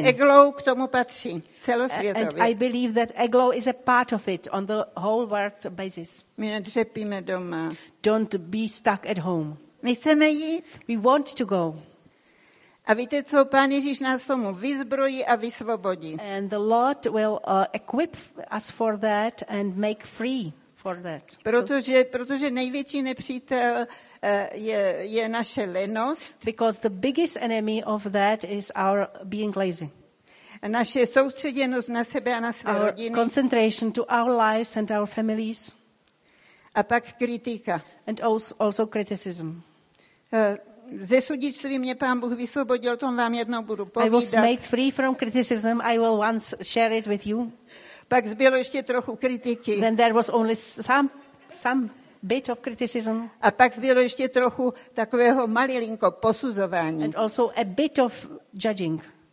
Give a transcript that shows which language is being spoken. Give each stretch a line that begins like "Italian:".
Czech: Že Eglou k tomu patří celosvětově.
English: And I believe that Eglou is a part of it on the whole world basis.
Czech: My nedřepíme doma.
English: Don't be stuck at home.
Czech: My chceme jít.
English: We want to go.
Czech: A víte, co Pán Ježíš nás tomu vyzbrojí a vysvobodí.
English: And the Lord will equip us for that and make free for that.
Czech: Protože největší nepřítel je naše lenost.
English: Because the biggest enemy of that is our being lazy.
Czech: Naše soustředěnost na sebe a na své
English: our
Czech: rodiny.
English: Our concentration to our lives and our families.
Czech: A pak kritika.
English: And also criticism.
Czech: Ze sudičství mě Pán Bůh vysvobodil, o tom vám jednou budu povídat.
English: I was made free from criticism. I will once share it with you.
Czech: Pak zbylo ještě trochu kritiky.
English: Then there was only some bit of criticism.
Czech: A pak zbylo ještě trochu takového malilinko posuzování.
English: And also a bit of judging.